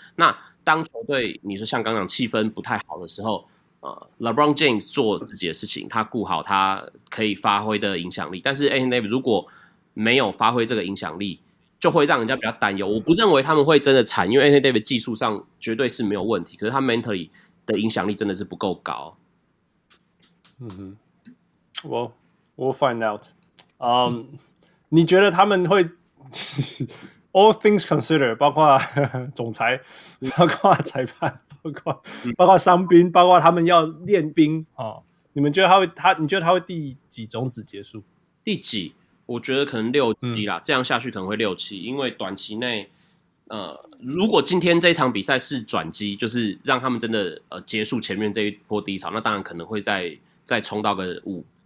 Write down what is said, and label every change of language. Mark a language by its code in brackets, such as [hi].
[zh] 那当球队你说像刚刚气氛不太好的时候，LeBron James 做自己的事情，他顾好他可以发挥的影响力，但是 Anthony Davis 如果没有发挥这个影响力，就会让人家比较担忧。我不认为他们会真的惨，因为 Anthony Davis 技术上绝对是没有问题，可是他 mentally 的影响力真的是不够高。 [en] Well, we'll find out. [zh] 你觉得他们会 [en] All things considered， [zh] 包括总裁，包括裁判，包括伤兵，包括他们要练兵、哦、你们觉得他会第几种子结束？第几？我觉得可能六七啦、嗯，这样下去可能会六七，因为短期内，如果今天这场比赛是转机，就是让他们真的结束前面这一波低潮，那当然可能会再冲到个五。